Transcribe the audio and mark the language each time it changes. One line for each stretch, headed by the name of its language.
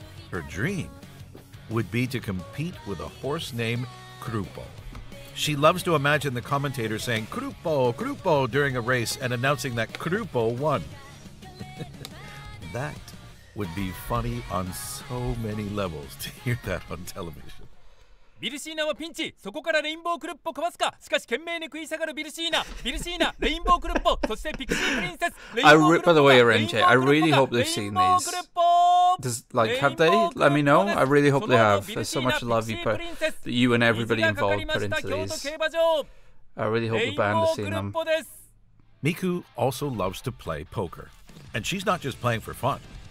English: Her dream would be to compete with a horse named Krupo. She loves to imagine the commentator saying Krupo, Krupo during a race and announcing that Krupo won. That would be funny on so many levels to hear that on television.
Japanese: ビルシーナはピンチ。そこからレインボークルッポかわすか。しかし懸命に食い下がるビルシーナ。ビルシーナ、レインボークルッポ。そしてピクシープリンセス。
English: By the way, Arenche, I really hope they've seen these. Does, like, have they? Let me know. I really hope they have. There's so much love you put, that you and everybody involved put into these. I really hope the band has seen them. Miku also loves to play poker. And she's not just playing for fun.